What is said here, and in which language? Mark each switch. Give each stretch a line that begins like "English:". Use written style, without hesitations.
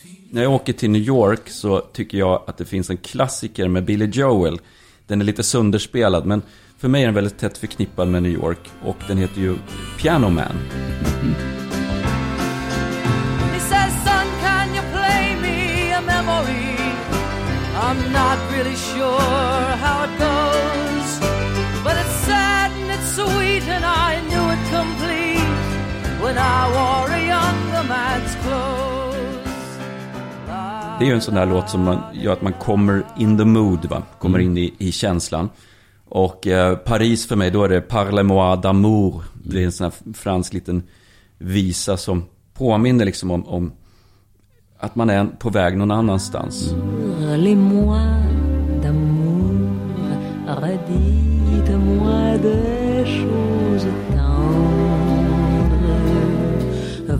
Swedish: När jag åker till New York så tycker jag att det finns en klassiker med Billy Joel. Den är lite sönderspelad, men för mig är den väldigt tätt förknippad med New York. Och den heter ju Piano Man.
English: He says, son, can you play me a memory? I'm not really sure how it goes. But it's sad and it's sweet and I knew it complete when I wore a younger man's clothes.
Swedish: Det är ju en sån där låt som man gör att man kommer
English: in the mood,
Swedish: va? Kommer in i känslan. Och Paris för mig, då är det Parle-moi d'amour. Det är en sån här fransk liten visa som påminner liksom om att man är på väg någon annanstans.
French: Parle-moi d'amour, redite-moi des choses tendres.